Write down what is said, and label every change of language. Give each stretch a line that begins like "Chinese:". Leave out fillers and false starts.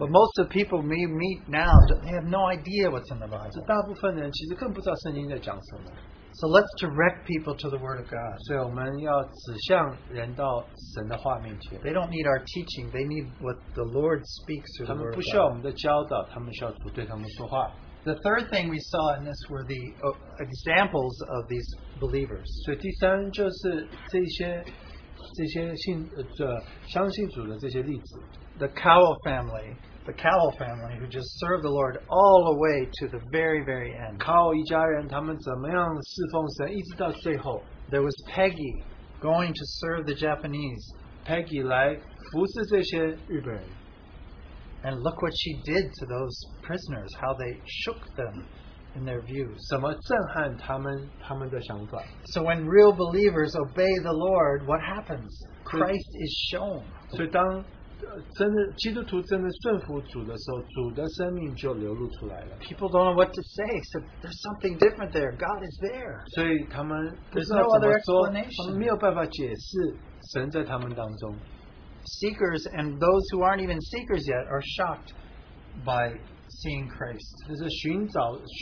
English: But most of the people we meet now, they have no idea what's in the Bible.
Chinese: 大部分人其实更不知道圣经在讲什么。
English: So let's direct people to the Word of God.
Chinese: 所以我们要指向人到神的话面前。
English: They don't need our teaching, they need what the Lord speaks through the Word of God.
Chinese: 他们不需要我们的教导, 他们需要对他们说话。
English: The third thing we saw in this were the examples of these believers.
Chinese: 所以第三就是这些信，相信主的这些例子。
English: The Cowell family, who just served the Lord all the way to the very, very end.
Chinese: Cowell一家人他们怎么样侍奉神，一直到最后。
English: There was Peggy. going to serve the Japanese.
Chinese: Peggy 来服侍这些日本人.
English: And look what she did to those prisoners, how they shook them in their views.
Chinese: 怎么震撼他们的想法.
English: So when real believers obey the Lord, what happens? Christ is shown.
Chinese: 所以当基督徒真的顺服主的时候，主的生命就流露出来了.
English: People don't know what to say, except there's something different there. God is there.
Chinese: 所以他们不知道怎么说，他们没有办法解释神在他们当中.
English: Seekers and those who aren't even seekers yet are shocked by seeing Christ.